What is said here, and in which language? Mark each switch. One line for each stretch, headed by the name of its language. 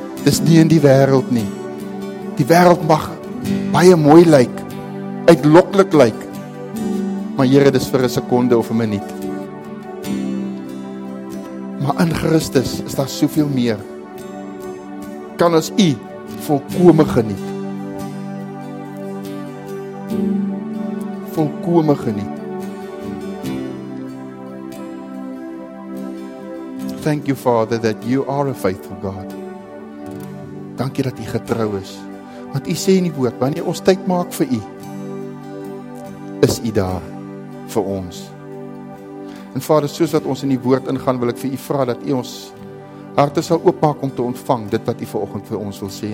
Afrikaans: Dis nie in die wêreld nie. Die wêreld mag baie mooi lyk, uitloklik lyk. Maar Here, dis vir 'n sekonde of 'n minuut. Maar in Christus is daar soveel meer. Kan ons U volkome geniet. Volkome geniet.
English: Thank You, Father, that You are a faithful God.
Afrikaans: Dankie dat U getrou is. Want U sê in die woord, wanneer ons tyd maak vir U, is U daar vir ons. En Vader, soos dat ons in die woord ingaan, wil ek vir U vra dat U ons harte sal oopmaak om te ontvang dit wat U vanoggend vir ons wil sê.